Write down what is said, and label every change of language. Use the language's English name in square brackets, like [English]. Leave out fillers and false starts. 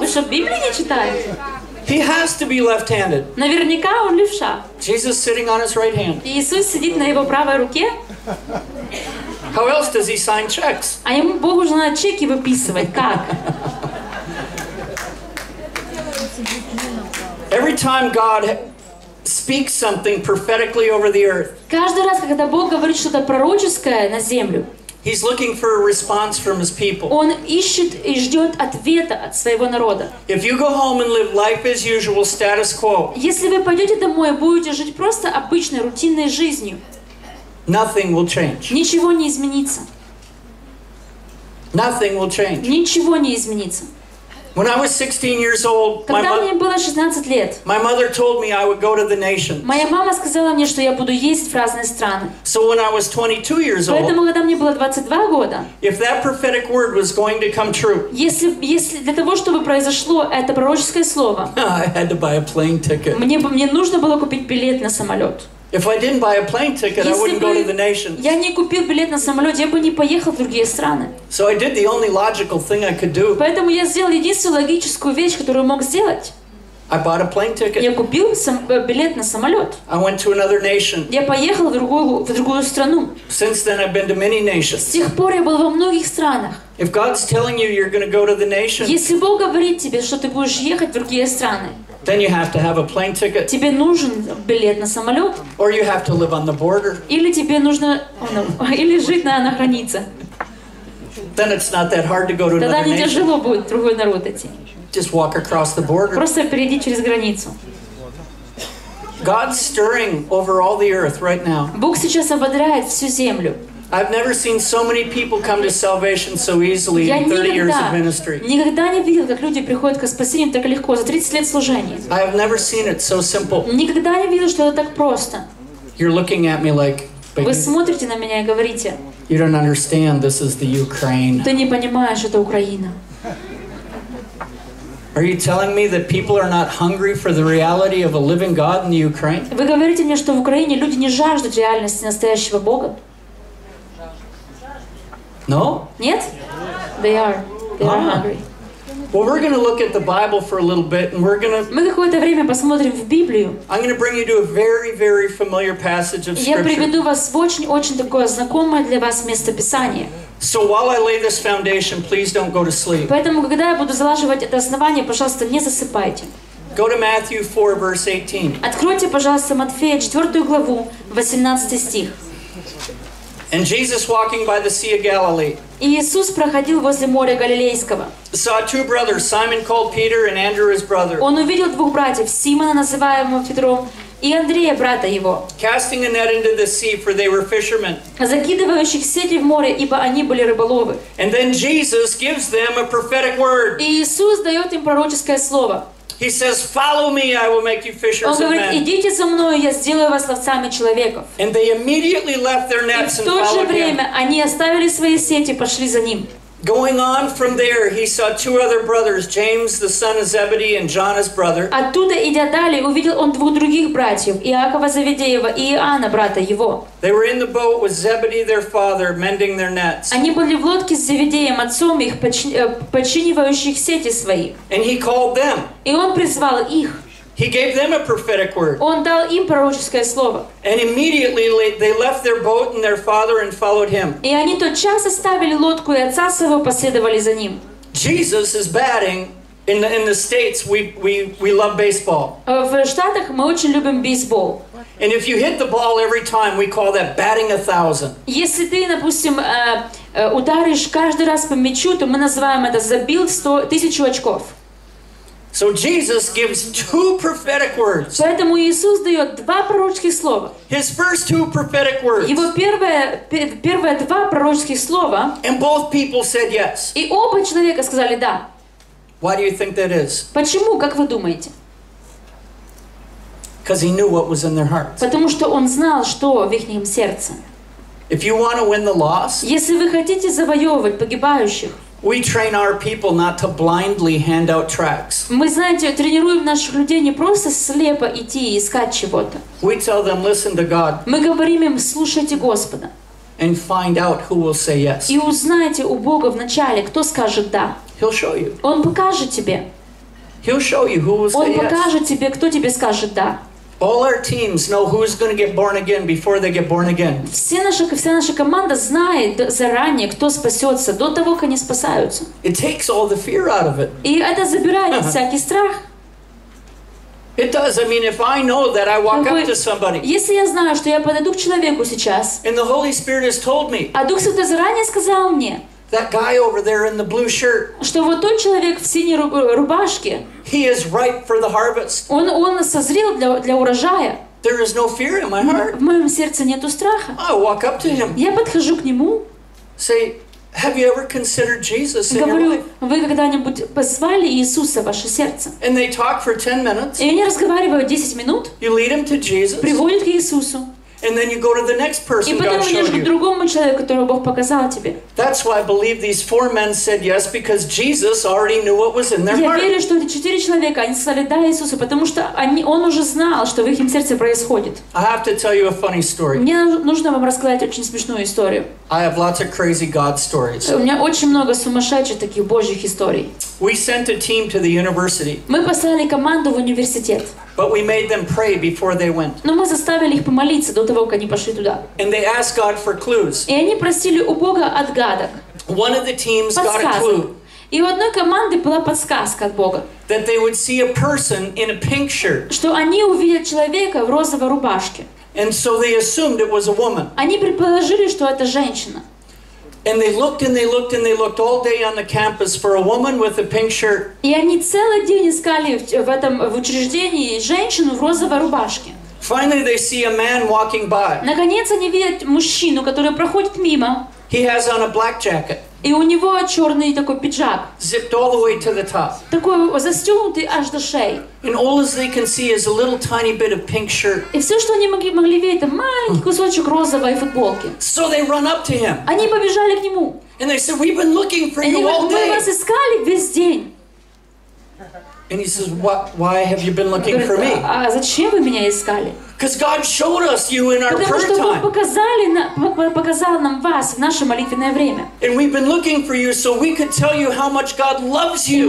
[Russian] Вы что, Библию не читаете? [English] He has to be left-handed. [Russian] Наверняка он левша. [English] Jesus sitting on his right hand. [Russian] Иисус сидит на его правой руке. [English] How else does he sign checks? [Russian] А ему Богу же надо чеки выписывать. Как? [English] Every time God speaks something prophetically over the earth. [Russian] Каждый раз, когда Бог говорит что-то пророческое на землю. [English] He's looking for a response from his people. [Russian] Он ищет и ждет ответа от своего народа. [English] If you go home and live life as usual, status quo. [Russian] Если вы пойдете домой и будете жить просто обычной рутинной жизнью. [English] Nothing will change. [Russian] Ничего не изменится. [English] Nothing will change. [Russian] Ничего не изменится. [English] When I was 16 years old, [Russian] когда мне было 16 лет, [English] my mother told me I would go to the nations. [Russian] Моя мама сказала мне, что я буду ездить в разные страны. [English] So when I was 22 years old, [Russian] поэтому когда мне было 22 года, [English] if that prophetic word was going to come true, [Russian] если для того, чтобы произошло это пророческое слово, [English] I had to buy a plane ticket. [Russian] Мне нужно было купить билет на самолет. [English] If I didn't buy a plane ticket, [Russian] если [English] I wouldn't [Russian] бы [English] go to the nations. [Russian] Я не купил билет на самолет, я бы не поехал в другие страны. [English] So I did the only logical thing I could do. [Russian] Поэтому я сделал единственную логическую вещь, которую мог сделать. [English] I bought a plane ticket. [Russian] Я купил билет на самолет. [English] I went to another nation. [Russian] Я поехал в другую страну. [English] Since then I've been to many nations. [Russian] С тех пор я был во многих странах. [English] If God's telling you you're going to go to the nations. [Russian] Если Бог говорит тебе, что ты будешь ехать в другие страны. [English] Then you have to have a plane ticket. [Russian] Тебе нужен билет на самолет. [English] Or you have to live on the border. [Russian] Или тебе нужно, или жить на границе. [English] then it's not that hard to go to another nation. [Russian] Тогда не тяжело будет другой народ идти. [English] Just walk across the border. [Russian] Просто перейди через границу. [English] God's stirring over all the earth right now. [Russian] Бог сейчас ободряет всю землю. [English] I've never seen so many people come to salvation so easily in 30 years of ministry. [Russian] Никогда не видел, как люди приходят к спасению так легко за 30 лет служения. [English] I have never seen it so simple. [Russian] Никогда не видел, что это так просто. [English] You're looking at me like. [Russian] Вы смотрите на меня и говорите. [English] You don't understand. This is the Ukraine. [Russian] Ты не понимаешь, это Украина. [English] Are you telling me that people are not hungry for the reality of a living God in the Ukraine? [Russian] Вы говорите мне, что в Украине люди не жаждут реальности настоящего Бога? [English] No? [Russian] Нет? [English] They are. They are hungry. Well, we're going to look at the Bible for a little bit, and we're going to... [Russian] Мы какое-то время посмотрим в Библию. [English] I'm going to bring you to a very, very familiar passage of Scripture. [Russian] Я приведу вас в очень-очень такое знакомое для вас место Писания. [English] So while I lay this foundation, please don't go to sleep. [Russian] Поэтому, когда я буду залаживать это основание, пожалуйста, не засыпайте. [English] Go to Matthew 4, verse 18. [Russian] Откройте, пожалуйста, Матфея 4 главу, 18 стих. [English] And Jesus walking by the Sea of Galilee. [Russian] Иисус проходил возле моря Галилейского. [English] Saw two brothers, Simon called Peter and Andrew his brother. [Russian] Он увидел двух братьев, Симона, называемого Петром, и Андрея, брата его. [English] Casting a net into the sea, for they were fishermen. [Russian] Закидывающих сети в море, ибо они были рыболовы. [English] And then Jesus gives them a prophetic word. [Russian] Иисус дает им пророческое слово. [English] He says, "Follow me, I will make you fishers of men." [Russian] Он говорит: идите за мною, я сделаю вас ловцами человеков. [English] And they immediately left their nets and followed him. [Russian] И в то же время они оставили свои сети и пошли за ним. [English] Going on from there, he saw two other brothers, James, the son of Zebedee, and John, his brother. [Russian] Оттуда идя далее, увидел он двух других братьев, Иакова Заведеева и Иоанна, брата его. [English] They were in the boat with Zebedee, their father, mending their nets. [Russian] Они были в лодке с Заведеем, отцом их, починивающих сети свои. [English] And he called them. [Russian] И он призвал их. [English] He gave them a prophetic word. [Russian] Он дал им пророческое слово. [English] And immediately they left their boat and their father and followed him. [Russian] И они тотчас оставили лодку и отца своего последовали за ним. [English] Jesus is batting in the States. We love baseball. [Russian] В Штатах мы очень любим бейсбол. [English] And if you hit the ball every time, we call that batting 1,000. [Russian] Если ты, допустим, ударишь каждый раз по мячу, то мы называем это забил 1,000 очков. [English] So Jesus gives two prophetic words. [Russian] Поэтому Иисус дает два пророческих слова. [English] His first two prophetic words. [Russian] Его первые два пророческих слова. [English] And both people said yes. [Russian] И оба человека сказали да. [English] Why do you think that is? [Russian] Почему, как вы думаете? [English] Because he knew what was in their hearts. [Russian] Потому что он знал, что в их сердце. [English] If you want to win the lost. [Russian] Если вы хотите завоевывать погибающих. [English] We train our people not to blindly hand out tracts. [Russian] Мы, знаете, тренируем наших людей не просто слепо идти и искать чего-то. [English] We tell them, listen to God. [Russian] Мы говорим им, слушайте Господа. [English] And find out who will say yes. [Russian] И узнайте у Бога вначале, кто скажет да. [English] He'll show you. [Russian] Он покажет тебе. [English] He'll show you who will say yes. [Russian] Он покажет тебе, кто тебе скажет да. [English] All our teams know who's going to get born again before they get born again. [Russian] Вся наша команда знает заранее, кто спасется до того, как они спасаются. [English] It takes all the fear out of it. [Russian] И это забирает всякий страх. [English] It does. I mean, if I know that I walk up to somebody. [Russian] Если я знаю, что я подойду к человеку сейчас. [English] And the Holy Spirit has told me. [Russian] А Дух Святой заранее сказал мне. [English] That guy over there in the blue shirt. [Russian] Что вот тот человек в синей рубашке. [English] He is ripe for the harvest. [Russian] Он созрел для урожая. [English] There is no fear in my heart. [Russian] В моем сердце нету страха. [English] I walk up to him. [Russian] Я подхожу к нему. [English] Say, have you ever considered Jesus in [Russian] говорю, [English] your life? [Russian] Вы когда-нибудь позвали Иисуса в ваше сердце? [English] And they talk for 10 minutes. [Russian] И они разговаривают 10 минут. [English] You lead him to Jesus. [Russian] Приводят к Иисусу. [English] And then you go to the next person God you. [Russian] И потом идешь к другому человеку, которого Бог показал тебе. [English] That's why I believe these four men said yes because Jesus already knew what was in their heart. [Russian] Я верю, что эти четыре человека они сказали да Иисусу, потому что он уже знал, что в их сердце происходит. [English] I have to tell you a funny story. [Russian] Мне нужно вам рассказать очень смешную историю. [English] I have lots of crazy God stories. [Russian] У меня очень много сумасшедших таких Божьих историй. [English] We sent a team to the university. [Russian] Мы послали команду в университет. [English] But we made them pray before they went. [Russian] Но мы заставили их помолиться до того, как они пошли туда. [English] And they asked God for clues. [Russian] И они просили у Бога отгадок. [English] One of the teams got a clue. [Russian] И у одной команды была подсказка от Бога. [English] That they would see a person in a pink shirt. [Russian] Что они увидят человека в розовой рубашке. [English] And so they assumed it was a woman. [Russian] Они предположили, что это женщина. [English] And they looked and they looked and they looked all day on the campus for a woman with a pink shirt. [Russian] И они целый день искали в этом в учреждении женщину в розовой рубашке. [English] Finally, they see a man walking by. [Russian] Наконец они видят мужчину, который проходит мимо. [English] He has on a black jacket. [Russian] И у него черный такой пиджак. [English] Zipped all the way to the top. [Russian] Такой застегнутый аж до шеи. [English] And all they can see is a little tiny bit of pink shirt. [Russian] И все, что они могли видеть, это маленький кусочек розовой футболки. [English] So they run up to him. [Russian] Они побежали к нему. [English] And they said, "We've been looking for you all day." [Russian] Мы вас искали весь день. [English] And he says, why have you been looking for me? [Russian] А зачем вы меня искали? [English] Because God showed us you in our prayer time. [Russian] Потому что показал нам вас в наше молитвенное время. [English] And we've been looking for you so we could tell you how much God loves you.